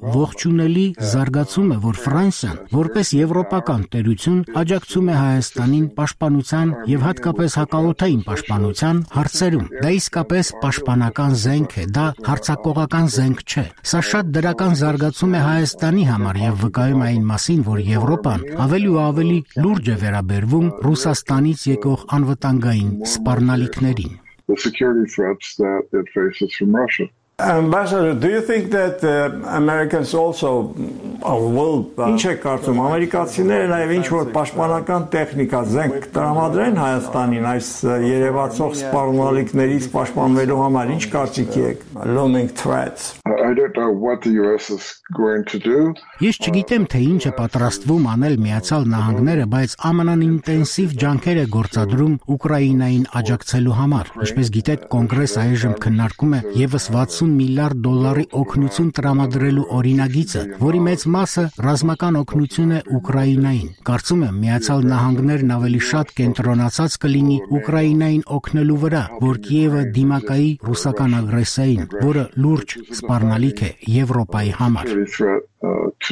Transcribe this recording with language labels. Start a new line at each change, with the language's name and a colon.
Armenian: ողջունելի զարգացում է, որ Ֆրանսիան, որպես եվրոպական տերություն, աջակցում է Հայաստանին պաշտպանության և հատկապես հակաօդային պաշտպանության հարցերում։ Դա իսկապես պաշտպանական զենք է, դա հարձակողական զենք չէ։ Սա շատ դրական զարգացում է Հայաստանի համար և վկայում այն մասին, որ Եվրոպան ավելի ու ավելի լուրջ է վերաբերվում Ռուսաստանից եկող անվտանգային սպառնալիքներին.
English: The security threats that it faces from Russia. Ambassador, do you think that the Americans also will
Armenian: ինչ է կարծում ամերիկացիները նաև ինչ որ պաշտպանական տեխնիկա զենք տրամադրեն Հայաստանին այս երևացող սպառնալիքներից պաշտպանվելու համար, ինչ կարծիք եք?
English: Looming threats. I don't know what the US is going to do.
Armenian: Ես չգիտեմ, թե ինչ է պատրաստվում անել Միացյալ Նահանգները, բայց ԱՄՆ-ն ինտենսիվ ջանքեր է գործադրում Ուկրաինային աջակցելու համար։ Ինչպես գիտեք, կոնգրեսը այժմ քննարկում է եւս 60 միլիարդ դոլարի օգնություն տրամադրելու օրինագիծը, որի մեծ մասը ռազմական օգնություն է Ուկրաինային։ Կարծում եմ, Միացյալ Նահանգներն ավելի շատ կենտրոնացած կլինի Ուկրաինային օգնելու վրա, որ Կիևը դիմակայի ռուսական ագրեսիային, որը լուրջ սպառնալիք է Եվրոպայի համար։